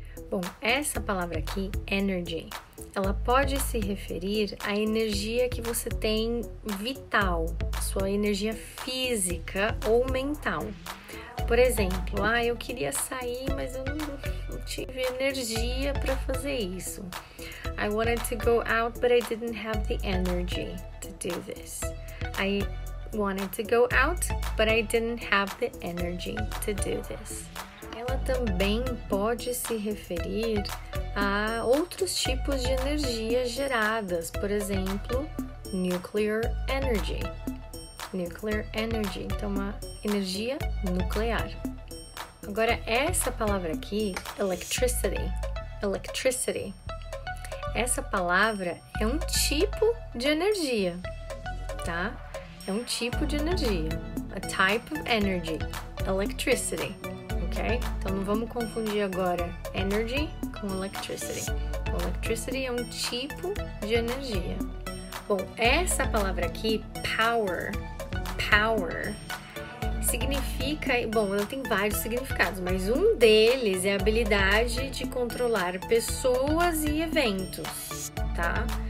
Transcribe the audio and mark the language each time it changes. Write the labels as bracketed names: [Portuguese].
[Portuguese] Bom, essa palavra aqui, energy, ela pode se referir à energia que você tem vital, sua energia física ou mental. Por exemplo, ah, eu queria sair, mas eu não tive energia para fazer isso. [English] I wanted to go out, but I didn't have the energy to do this. I wanted to go out, but I didn't have the energy to do this. [Portuguese] Ela também pode se referir a outros tipos de energias geradas, por exemplo, nuclear energy. Nuclear energy, então uma energia nuclear. Agora, essa palavra aqui, electricity, electricity, essa palavra é um tipo de energia, tá? É um tipo de energia. [English] A type of energy, electricity, ok? [Portuguese] Então não vamos confundir agora energy com electricity. Electricity é um tipo de energia. Bom, essa palavra aqui, power, power, significa, bom, ela tem vários significados, mas um deles é a habilidade de controlar pessoas e eventos, tá?